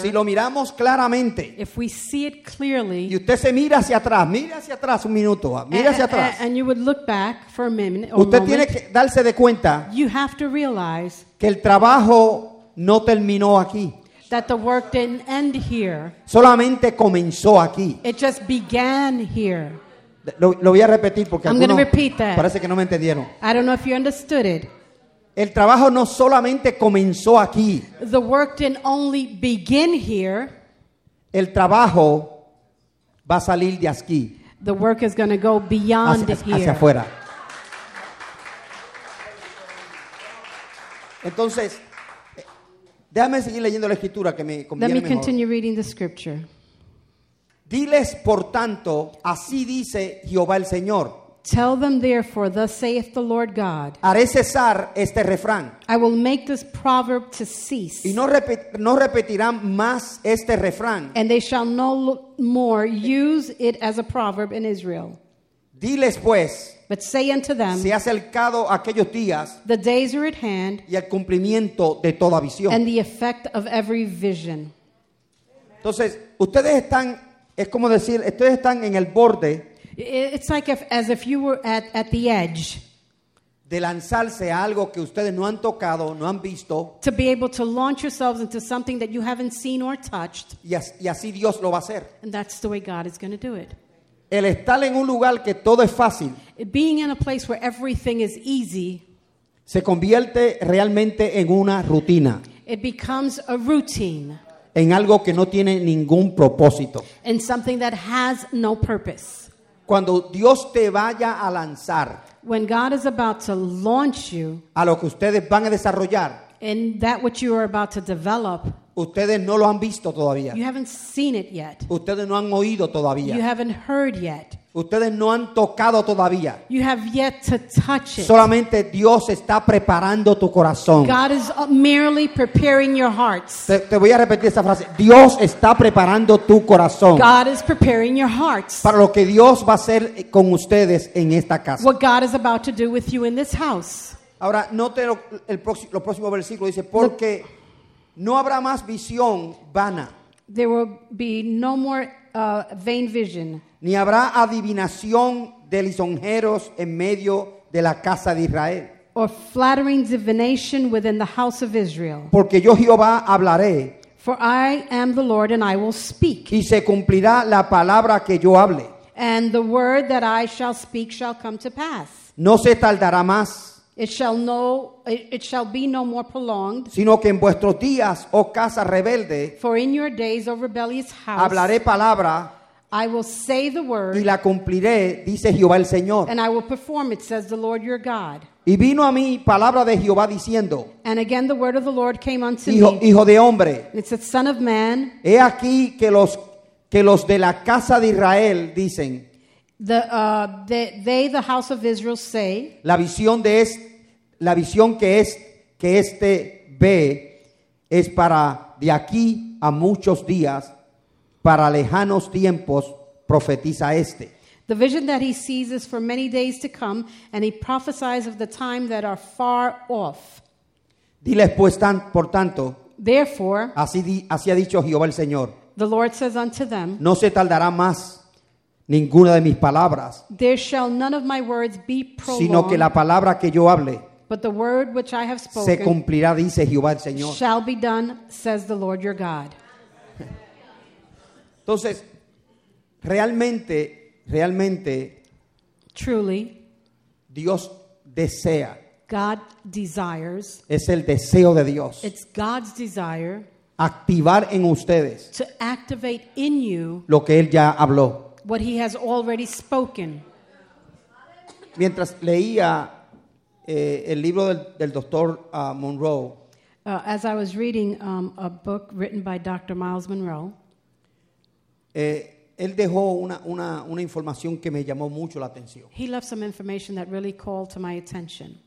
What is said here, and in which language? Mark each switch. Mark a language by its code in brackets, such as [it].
[es] Si lo miramos claramente. [en] If we see it clearly. [es] Y usted se mira hacia atrás un minuto, mira hacia atrás. [en] And you would look back for a minute. [es] Usted tiene que darse de cuenta. [en] You have to realize. [es] Que el trabajo no terminó aquí. [en] That the work didn't end here. [es] Solamente comenzó aquí. [en] It just began here. [es] Lo voy a repetir porque [en] I'm [es] algunos [en] repeat that. [es] Parece que no me entendieron. [en] I don't know if you understood it. [es] El trabajo no solamente comenzó aquí. [en] The work didn't only begin here. [es] El trabajo va a salir de aquí. [en] The work is going to go beyond here. [es] Hacia afuera. Entonces, déjame seguir leyendo la escritura que me conviene mejor. [en] Let me continue reading the scripture. [es] Diles, por tanto, así dice Jehová el Señor. [en] Tell them, therefore, thus saith the Lord God. [es] Haré cesar este refrán. [en] I will make this proverb to cease. [es] Y no repetirán más este refrán. [en] And they shall no more use it as a proverb in Israel. [es] Diles, pues. [en] But say unto them, [es] se ha acercado aquellos días, [en] the days are at hand, [es] y el cumplimiento de toda visión. [en] And the effect of every vision. [es] Entonces, ustedes están, es como decir, ustedes están en el borde. [en] It's like if, as if you were at the edge. [es] De lanzarse a algo que ustedes no han tocado, no han visto. [en] To be able to launch yourselves into something that you haven't seen or touched. [es] Y así Dios lo va a hacer. [en] And that's the way God is going to do it. [es] El estar en un lugar que todo es fácil. [en] Being in a place where everything is easy. [es] Se convierte realmente en una rutina. [en] It becomes a routine. [es] En algo que no tiene ningún propósito. [en] In something that has no purpose. [es] Cuando Dios te vaya a lanzar. [en] When God is about to launch you. [es] A lo que ustedes van a desarrollar. [en] In that which you are about to develop. [es] Ustedes no lo han visto todavía. [en] You haven't seen it yet. [es] Ustedes no han oído todavía. [en] You haven't heard yet. [es] Ustedes no han tocado todavía. [en] You have yet to touch it. [es] Solamente Dios está preparando tu corazón. [en] God is merely preparing your hearts. [es] Te voy a repetir esa frase. Dios está preparando tu corazón. [en] God is preparing your hearts. [es] Para lo que Dios va a hacer con ustedes en esta casa. [en] What God is about to do with you in this house. [es] Ahora, note el próximo versículo dice, porque no habrá más visión vana. [en] There will be no more vain vision. [es] Ni habrá adivinación de lisonjeros en medio de la casa de Israel. [en] Or flattering divination within the house of Israel. [es] Porque yo Jehová hablaré. [en] For I am the Lord and I will speak. [es] Y se cumplirá la palabra que yo hable. [en] And the word that I shall speak shall come to pass. [es] No se tardará más. [en] It shall be no more prolonged. [es] Sino que en vuestros días, oh casa rebelde. [en] For in your days, oh rebellious house. [es] Hablaré palabra. [en] I will say the word. [es] Y la cumpliré, dice Jehová el Señor. [en] And I will perform it, says the Lord your God. [es] Y vino a mí palabra de Jehová diciendo. [en] And again the word of the Lord came unto [es] hijo, [en] me. [es] Hijo de hombre. [en] And it said, son of man. [es] He aquí que los de la casa de Israel dicen. [en] They the house of Israel say. [es] La visión que este ve es para de aquí a muchos días, para lejanos tiempos profetiza este. [en] The vision that he sees is for many days to come, and he prophesies of the time that are far off. [es] Diles pues tan, por tanto. [en] Therefore. [es] Así ha dicho Jehová el Señor. [en] The Lord says unto them. [es] No se tardará más. Ninguna de mis palabras. [en] There shall none of my words be prolonged. [es] Sino que la palabra que yo hable. [en] But the word which I have spoken. [es] Se cumplirá, dice Jehová el Señor. [en] Shall be done, says the Lord your God. [es] Entonces, realmente, realmente. [en] Truly. [es] Dios desea. [en] God desires. [es] Es el deseo de Dios. [en] It's God's desire. [es] Activar en ustedes. [en] To activate in you. [es] Lo que él ya habló. [en] What he has already spoken. [es] Mientras leía El libro del doctor Monroe. [en] As I was reading a book written by Dr. Miles Monroe, [es] él dejó una información que me llamó mucho la atención. [en] He left some information that really called to my attention.